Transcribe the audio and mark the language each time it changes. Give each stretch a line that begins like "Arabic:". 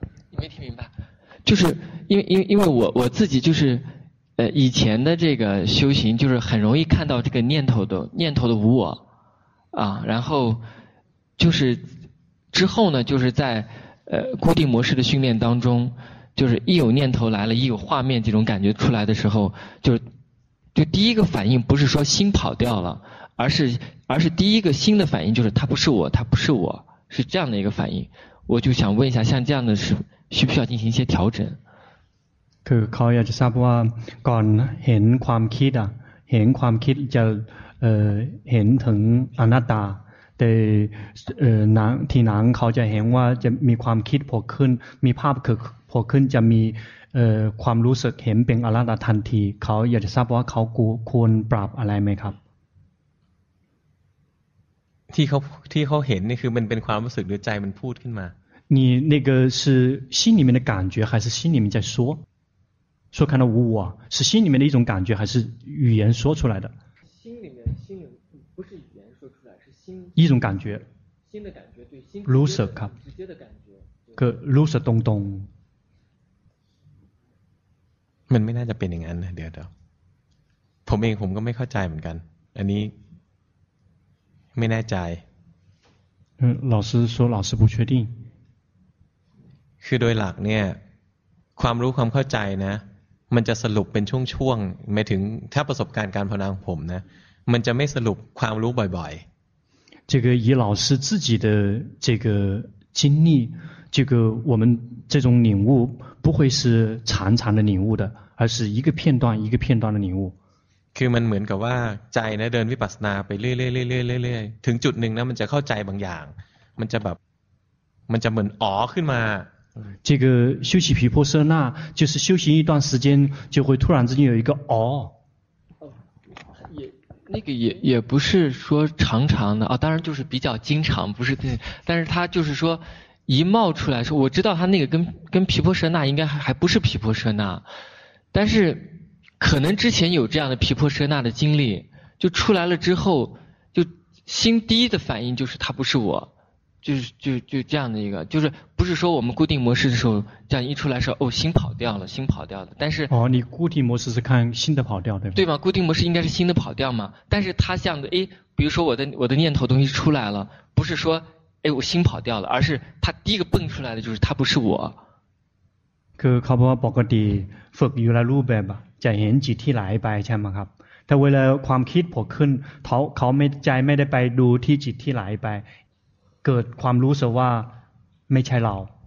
Chinese: 你没听明白，就是因为我自己就是，以前的这个修行就是很容易看到这个念头的无我，啊，然后就是之后呢，就是在固定模式的训练当中，就是一有念头来了，一有画面这种感觉出来的时候，就是。就第一个反应不是说心跑掉了，而是第一个心的反应就是他不是我，他不是我，是这样的一个反应。我就想问一下，像这样的是需不需要进行一些调整？
Thai: คือเขาอยากจะทราบว่าก่อนเห็นความคิดอ่ะเห็นความคิดจะเห็นถึงอนัตตาแต่หนังที่หนังเขาจะเห็นว่าจะมีความคิดโผล่ขึ้นมีภาพโผล่ขึ้นจะมีความรู้สึกเห็นเป็นอนัตตาทันทีเขาอยากจะทราบว่าเขาควรปรับอะไรไหมครับ ที่เขาเห็นนี่คือมันเป็นความรู้สึกหรือใจมันพูดขึ้นมา
Chinese: 你那个是心里面的感觉还是心里面在说说看到无我是心里面的一种感觉还是语言说出来的心里面不是语言说出来是心一种感觉心的感觉对心如舍卡直接的感觉个如舍东东
Thai: มันไม่น่าจะเป็นอย่างนั้นนะเดี๋ยวผมเองผมก็ไม่เข้าใจเหมือนกันอันนี้ไม่แน่ใจ
Chinese: 老师说老师不确定
Thai: คือโดยหลักเนี่ยความรู้ความเข้าใจนะมันจะสรุปเป็นช่วงๆไม่ถึงถ้าประสบการณ์การภาวนาของผมนะมันจะไม่สรุปความรู้บ่อย
Chinese: ๆ这个以老师自己的这个经历这个我们这种领悟不会是长长的领悟的而是一个片段一个片段的领悟
Thai: คือมันเหมือนกับว่าใจนะเดินวิปัสสนาไปเรื่อยๆๆๆๆถึงจุดหนึ่งนะมันจะเข้าใจบางอย่างมันจะแบบมันจะเหมือนอ๋อขึ้นมา
Chinese: 这个修习毗婆舍那就是修行一段时间就会突然之间有一个哦也那个也不是说常常的啊当然就是比较经常不是但是他就是说一冒出来说我知道他那个跟毗婆舍那应该还不是毗婆舍那但是可能之前有这样的毗婆舍那的经历就出来了之后就心第一的反应就是他不是我就这样的一个就是不是说我们固定模式的时候这样一出来说哦心跑掉了心跑掉了但是哦你固定模式是看心的跑掉对吧对吗固定模式应该是心的跑掉嘛但是他像的诶比如说我的念头东西出来了不是说诶我心跑掉了而是他第一个蹦出来的就是他不是我
Thai: คือเขาบอกว่าปกติฝึกอยู่ในรูปแบบจะเห็นจิตที่ไหลไปใช่ไหมครับแต่เวลาความคิดผุดขึ้นเขาไม่ใจไม่ได้ไปดูที่จิตที่ไหลไปเกิดความรู้สึกว่าไม่ใช่เรา